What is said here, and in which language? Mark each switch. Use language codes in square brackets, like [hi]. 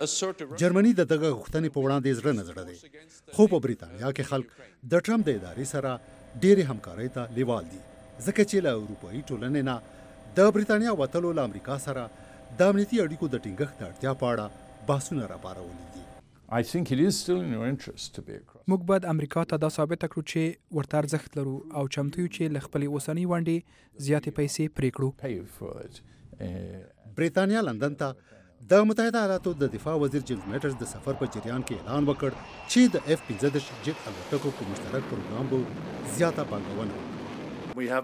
[ps] جرمني د دغه غوښتنې په وړاندې زړه نه زړه دی، خو په بریتانیا کې خلک د ټرمپ د ادارې سره ډېرې همکارۍ ته لیوال دي، ځکه چې له اروپایي ټولنې نه د بریتانیا وتلو له امریکا سره د امنیتي اړیکو د ټینګښت اړتیا په اړه بحثونه راپارولي دي. [en] I think it is still in your interest to be across. [ps] موږ باید امریکا ته دا ثابت کړو چې ورته ارزښت لرو او چمتو یو چې له خپلې اوسنۍ ونډې زیاتې پیسې پرې کړو. بریتانیا لندن ته د متحده ایالاتو د دفاع وزیر جیمز میټرز د سفر په جریان کې اعلان وکړ چې د اف 15 جت الوتکو په مشترک پروګرام به زیاته پانګونه